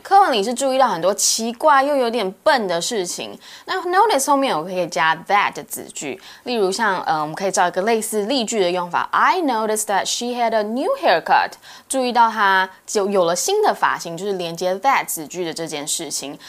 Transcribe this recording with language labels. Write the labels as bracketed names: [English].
[Chinese] 课文里是注意到很多奇怪又有点笨的事情。那 notice 后面我可以加 that 的子句。例如像我们可以找一个类似例句的用法。 [English] I noticed that she had a new haircut. [Chinese] 注意到她就有了新的发型就是连接 that 子句的这件事情。